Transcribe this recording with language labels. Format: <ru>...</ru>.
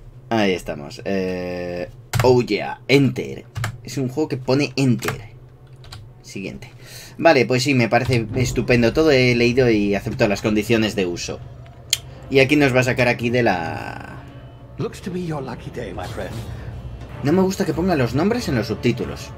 <es>Ahí estamos.</es> <en>Oh yeah,</en> <es>Enter. Es un juego que pone Enter. Siguiente. Vale, pues sí, me parece estupendo todo. He leído y acepto las condiciones de uso. Y aquí nos va a sacar aquí de la.</es> <en>Looks to be your lucky day, my friend.</en> <es>No me gusta que ponga los nombres en los subtítulos.</es>